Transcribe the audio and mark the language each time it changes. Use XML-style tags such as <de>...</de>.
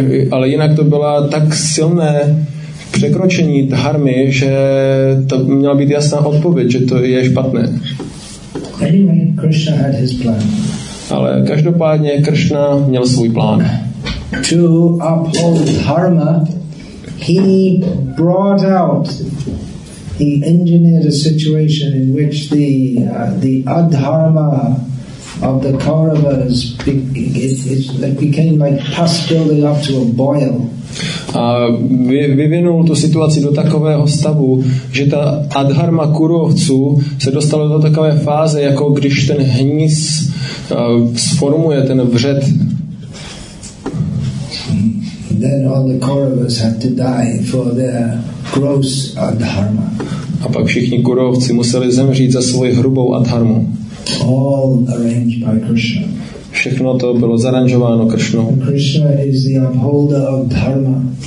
<cs>Ale jinak to byla tak silné překročení dharmy, že to měla být jasná odpověď, že to je špatné.</cs> <en>Anyway, Krishna had his plan.</en> <cs>Ale každopádně Krishna měl svůj plán.</cs> <en>To uphold dharma, he brought out, he engineered a situation in which the adharma of the Kauravas became like pus building up to a boil.</en> <cs>A vyvinul tu situaci do takového stavu, že ta adharma kurovců se dostala do takové fáze, jako když ten hníz sformuje ten vřet.</cs> <en>Then all the Kauravas had to die for their gross adharma.</en> <cs>A pak všichni kurovci museli zemřít za svoji hrubou adharmu.</cs> <en>All arranged by Krishna.</en> <cs>Všechno to bylo zaranžováno Krishnou.</cs> <en>Krishna is the upholder of dharma.</en>